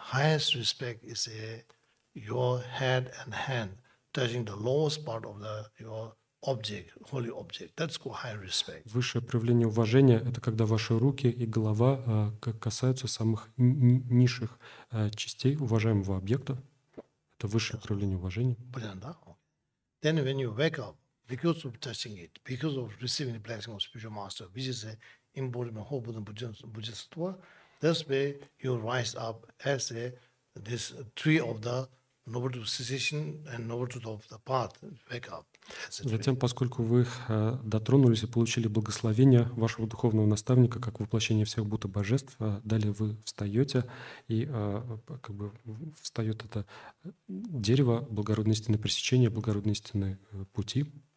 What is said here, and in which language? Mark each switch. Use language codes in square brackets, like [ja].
[en] Highest respect is your head and hand touching the lowest part of your object, holy object. That's called high respect. [ru] Высшее проявление уважения – это когда ваши руки и голова касаются самых низших частей уважаемого объекта. Это высшее проявление уважения. Понятно. [en] Then when you wake up, because of touching it, because of receiving the blessing of spiritual master, which is an embodiment of whole Buddha Bodhisattva, that's where you rise up as this tree of the noble truth of cessation and noble truth of the path. Wake up. [ru] Затем, поскольку вы дотронулись и получили благословение вашего духовного наставника как воплощение всех Будда божеств, далее вы встаете, и как бы встает это дерево благородной истины пресечения, благородной истины пути.